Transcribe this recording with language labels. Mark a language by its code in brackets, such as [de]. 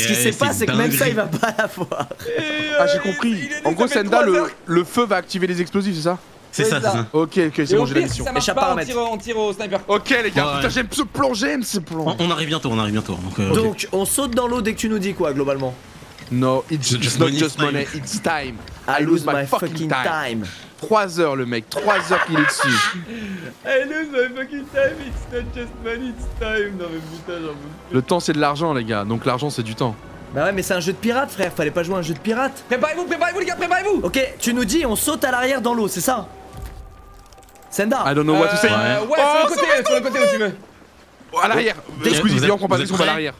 [fr] ce qui se passe, c'est que même ça, il va pas l'avoir. Ah, j'ai compris. En gros, Senda, le feu va activer les explosifs, c'est ça? C'est ça. Ok, c'est bon, j'ai la mission. Échappe pas, on tire au sniper. Ok, les gars, putain, j'aime ce plan. On arrive bientôt. Donc, on saute dans l'eau dès que tu nous dis quoi, globalement? [en] No, it's not just money, it's time. I lose my fucking time. [fr] 3 heures, le mec, 3 heures qu'il est dessus. [en] I lose my fucking time, it's not just money, it's time. [fr] Non, mais putain, j'en veux plus. Le temps, c'est de l'argent, les gars, donc l'argent, c'est du temps. Bah ouais, mais c'est un jeu de pirate, frère, fallait pas jouer à un jeu de pirate. Préparez-vous les gars. Ok, tu nous dis, on saute à l'arrière dans l'eau, c'est ça? Senda, [en] I don't know what to say. [fr] Sur le côté où tu veux. À l'arrière, excusez-moi, on prend pas des trucs à l'arrière.